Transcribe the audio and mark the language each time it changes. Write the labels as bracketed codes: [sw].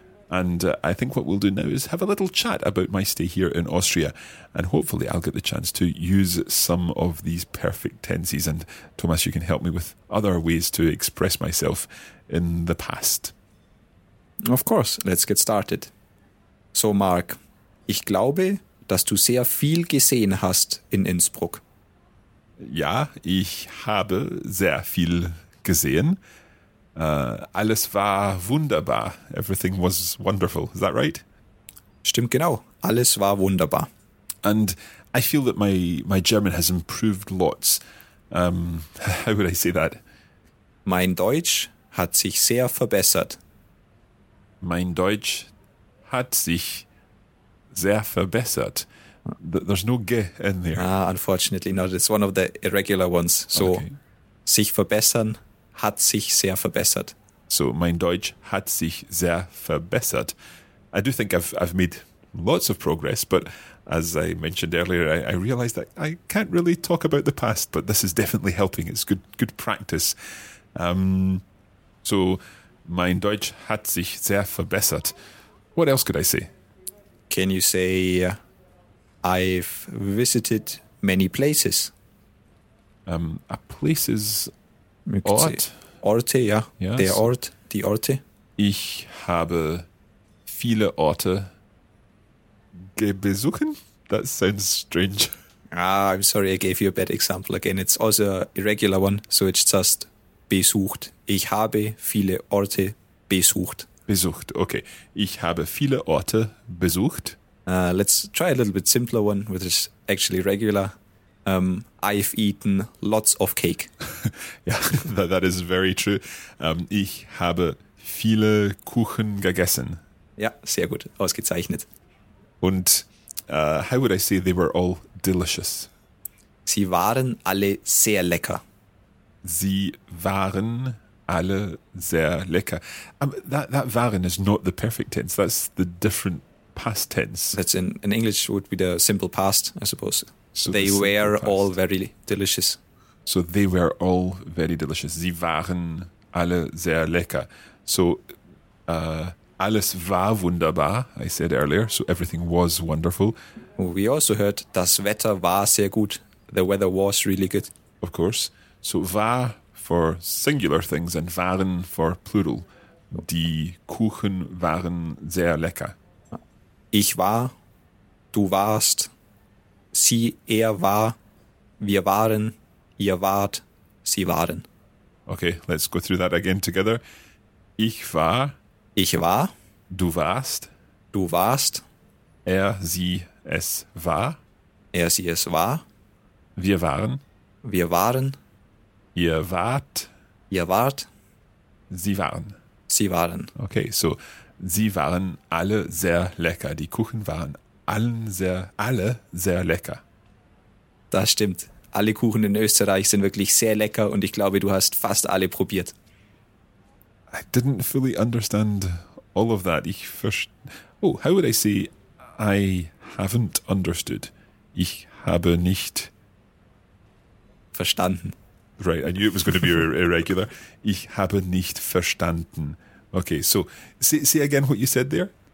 [en] And I think what we'll do now is have a little chat about my stay here in Austria. And hopefully I'll get the chance to use some of these perfect tenses. And Thomas, you can help me with other ways to express myself in the past. Of course, let's get started. [de] So, Mark, ich glaube, dass du sehr viel gesehen hast in Innsbruck. Ja, ich habe sehr viel gesehen. Alles war wunderbar. [en] Everything was wonderful. Is that right? [de] Stimmt genau. Alles war wunderbar. [en] And I feel that my German has improved lots. How would I say that? [de] Mein Deutsch hat sich sehr verbessert. Mein Deutsch hat sich sehr verbessert. [en] There's no ge in there. Ah, unfortunately not. It's one of the irregular ones. So, okay. [de] Sich verbessern, hat sich sehr verbessert. So, mein Deutsch hat sich sehr verbessert. [en] I do think I've made lots of progress, but as I mentioned earlier, I realized that I can't really talk about the past, but this is definitely helping. It's good practice. So, [de] mein Deutsch hat sich sehr verbessert. [en] What else could I say? K can you say, I've visited many places? Places, Ort? [de] Orte, ja. Yes. Der Ort, die Orte. Ich habe viele Orte besuchen. [en] That sounds strange. Ah, I'm sorry, I gave you a bad example again. It's also a irregular one, so it's just besucht. [de] Ich habe viele Orte besucht. Besucht, okay. Ich habe viele Orte besucht. [en] Let's try a little bit simpler one, which is actually regular. I've eaten lots of cake. Yeah, that is very true. [de] Ich habe viele Kuchen gegessen. Ja, sehr gut, ausgezeichnet. [en] Und how would I say they were all delicious? [de] Sie waren alle sehr lecker. Sie waren alle sehr lecker. [en] That waren is not the perfect tense. That's the different past tense. That's in English would be the simple past, I suppose. So they were past. All very delicious. So they were all very delicious. [de] Sie waren alle sehr lecker. [en] So [de] alles war wunderbar, [en] I said earlier. So everything was wonderful. We also heard [de] das Wetter war sehr gut. [en] The weather was really good. Of course. So war for singular things and waren for plural. [de] Die Kuchen waren sehr lecker. Ich war, du warst, sie, er war, wir waren, ihr wart, sie waren. [en] Okay, let's go through that again together. [de] Ich war, du warst, er, sie, es war, wir waren, ihr wart, sie waren. [en] Okay, so. [de] Sie waren alle sehr lecker. Die Kuchen waren alle sehr lecker. Das stimmt. Alle Kuchen in Österreich sind wirklich sehr lecker und ich glaube, du hast fast alle probiert. [en] I didn't fully understand all of that. How would I say I haven't understood? [de] Ich habe nicht verstanden. [en] Right, I knew it was going to be irregular. [de] Ich habe nicht verstanden. [en] Okay, so say again what you said there.